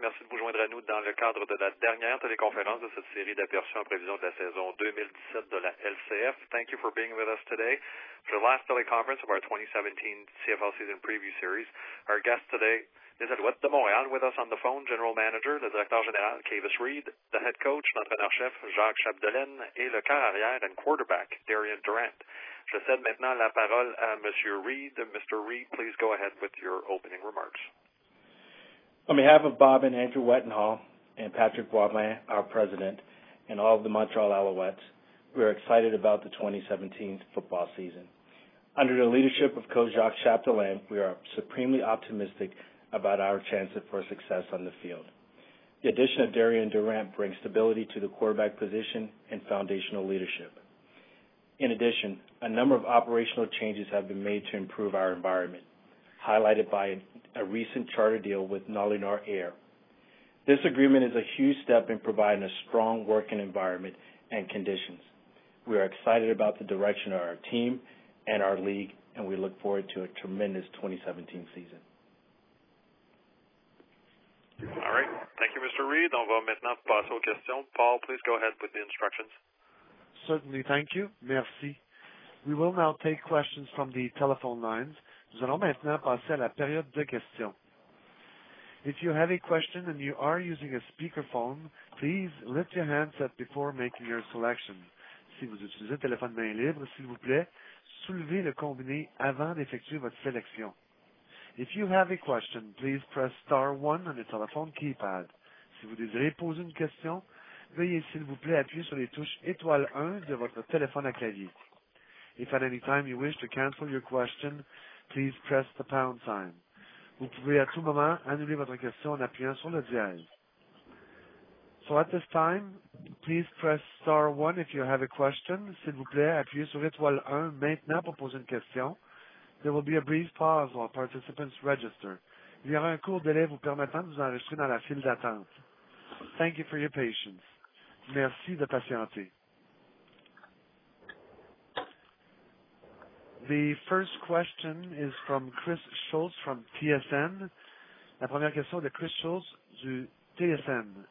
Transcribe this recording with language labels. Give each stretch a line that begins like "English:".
French: Merci de vous joindre à nous dans le cadre de la dernière téléconférence de cette série d'aperçus en prévision de la saison 2017 de la LCF.
English: Thank you for being with us today for the last teleconference of our 2017 CFL season preview series. Our guest today, les Alouettes de Montréal, with us on the phone, General Manager,
French: le Directeur Général,
English: Kavis Reed, the Head Coach, l'entraîneur-chef, Jacques Chapdelaine,
French: et le quart arrière
English: and quarterback, Darian Durant.
French: Je cède maintenant la parole à Monsieur Reed.
English: Mr. Reed, please go ahead with your opening remarks. On behalf of Bob and Andrew Wettenhall and Patrick Boisvin, our president, and all of the Montreal Alouettes, we are excited about the 2017 football season. Under the leadership of Coach Jacques Chapdelaine, we are supremely optimistic about our chances for success on the field. The addition of Darian Durant brings stability to the quarterback position and foundational leadership. In addition, a number of operational changes have been made to improve our environment, highlighted by a recent charter deal with Nalinar Air. This agreement is a huge step in providing a strong working environment and conditions. We are excited about the direction of our team and our league, and we look forward to a tremendous 2017 season. All right. Thank you, Mr. Reed.
French: On va maintenant passer aux questions.
English: Paul, please go ahead with the instructions. Certainly. Thank you. Merci. We will now take questions from the telephone lines.
French: Nous allons maintenant passer à la période de questions.
English: If you have a question and you are using a speakerphone, please lift your handset before making your selection.
French: Si vous utilisez un téléphone main libre, s'il vous plaît, soulevez le combiné avant d'effectuer votre sélection.
English: If you have a question, please press star 1 on the telephone keypad.
French: Si vous désirez poser une question, veuillez s'il vous plaît appuyer sur les touches étoile 1 de votre téléphone à clavier.
English: If at any time you wish to cancel your question, please press the pound sign.
French: Vous pouvez à tout moment annuler votre question en appuyant sur le dièse.
English: So at this time, please press star 1 if you have a question.
French: S'il vous plaît, appuyez sur étoile 1 maintenant pour poser une question.
English: There will be a brief pause while participants register.
French: Il y aura un court délai vous permettant de vous enregistrer dans la file d'attente.
English: Thank you for your patience.
French: Merci de patienter.
English: The first question is from Chris Schultz from TSN.
French: La première question de Chris Schultz du TSN.